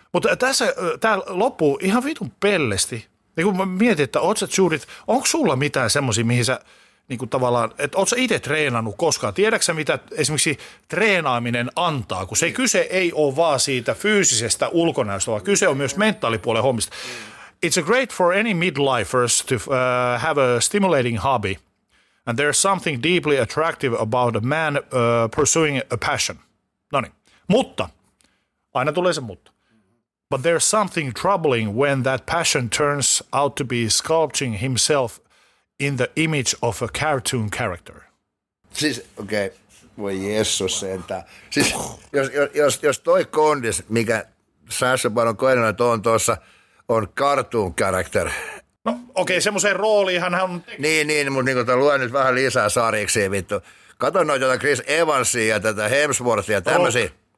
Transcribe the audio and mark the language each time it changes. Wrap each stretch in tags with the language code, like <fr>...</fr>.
<fi>Mutta tässä tämä loppuu ihan vitun pellesti. Niin kun mä mietin, että ootko sä Judith, onko sulla mitään semmoisia, mihin sä niin kun tavallaan, että ootko sä itse treenannut koskaan? Tiedätkö sä, mitä esimerkiksi treenaaminen antaa, kun se kyse ei ole vaan siitä fyysisestä ulkonäöstä, vaan kyse on myös mentaalipuolen hommista.</fi> <en>It's great for any midlifers to have a stimulating hobby, and there's something deeply attractive about a man pursuing a passion.</en> <fi>No niin, mutta, aina tulee se mutta.</fi> <en>But there's something troubling when that passion turns out to be sculpting himself in the image of a cartoon character.</en> <fi>Siis, okei, voi Jeesus sentään. Siis, jos toi kondis, mikä Sasha Baron Cohenilla on tuossa, on</fi> <en>cartoon character.</en> <fi>No, okei, semmoiseen rooliinhan hän on. Niin, mutta niin, luen nyt vähän lisää sariksi, vittu. Kato noita tuota Chris Evansia ja tätä Hemsworthia ja tämmöisiä.</fi>